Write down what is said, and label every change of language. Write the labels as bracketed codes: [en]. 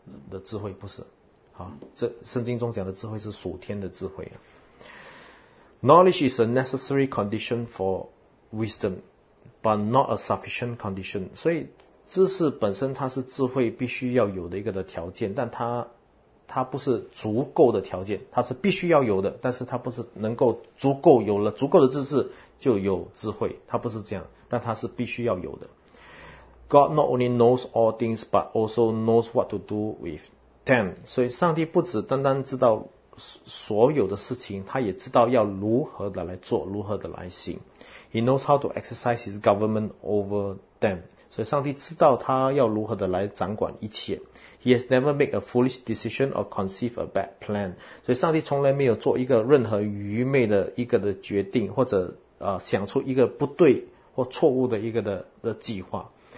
[zh] 的智慧不是这圣经中讲的智慧是属天的智慧 [en] Knowledge is a necessary condition for wisdom but not a sufficient condition [zh] 所以知识本身它是智慧必须要有的一个的条件但它不是足够的条件它是必须要有的但是它不是能够足够有了足够的知识就有智慧，他不是这样，但他是必须要有的。 [en] God not only knows all things, but also knows what to do with them. [zh] 所以上帝不只单单知道所有的事情，他也知道要如何的来做，如何的来行。 [en] He knows how to exercise his government over them. [zh] 所以上帝知道他要如何的来掌管一切。 [en] He has never made a foolish decision or conceived a bad plan. [zh] 所以上帝从来没有做一个任何愚昧的一个的决定，或者想出一个不对或错误的一个的计划。